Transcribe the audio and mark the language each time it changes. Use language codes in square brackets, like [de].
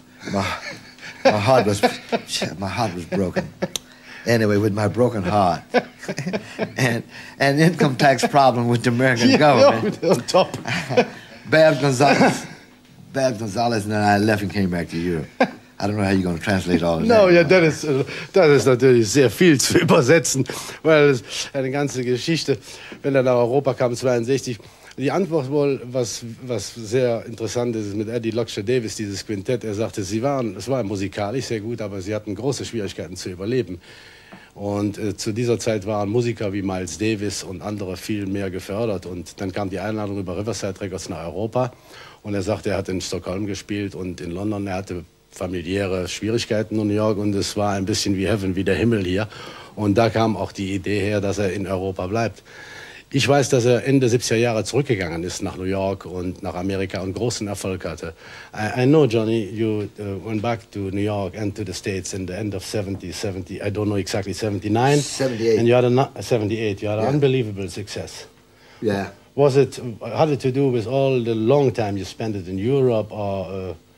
[en] My heart was broken. Anyway, with my broken heart and an income tax problem with the American government. On top. Bab Gonzalez and I left and came back to Europe. I don't know how you're going to translate all of that. [de] Das ist natürlich sehr viel zu übersetzen, weil es eine ganze Geschichte, wenn er nach Europa kam, 62. Die Antwort wohl, was sehr interessant ist, mit Eddie Lockshed Davis, dieses Quintett, er sagte, es war musikalisch sehr gut, aber sie hatten große Schwierigkeiten zu überleben. Und zu dieser Zeit waren Musiker wie Miles Davis und andere viel mehr gefördert. Und dann kam die Einladung über Riverside Records nach Europa. Und er sagte, er hat in Stockholm gespielt und in London, er hatte familiäre Schwierigkeiten in New York und es war ein bisschen wie Heaven, wie der Himmel hier. Und da kam auch die Idee her, dass er in Europa bleibt. Ich weiß, dass er Ende 70er Jahre zurückgegangen ist nach New York und nach Amerika und großen Erfolg hatte. [en] I know, Johnny, you went back to New York and to the States in the end of 78. And you had a 78. You had an unbelievable success. Yeah. Was it, had it to do with all the long time you spent it in Europe or...